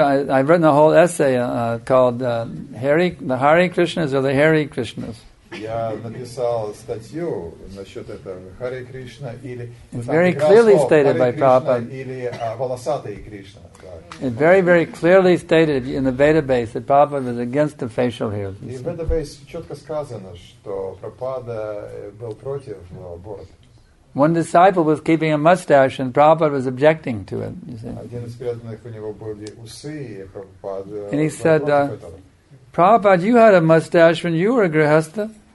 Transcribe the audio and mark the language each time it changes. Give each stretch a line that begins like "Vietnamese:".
English: I've written a whole essay called "The Hare Krishnas or the Hare Krishnas."
Russian: Я написал статью насчет этого Харе Кришна или.
English: It's very clearly stated by Prabhupada.
Russian: Или волосатый Кришна.
English: It's very, very clearly stated in the Veda base that Prabhupada was against the facial hair.
Russian: И в Veda base четко сказано, что Прабхупада был против бород.
English: One disciple was keeping a mustache and Prabhupada was objecting to it, you see. And he said, Prabhupada, you had a mustache when you were a grihastha.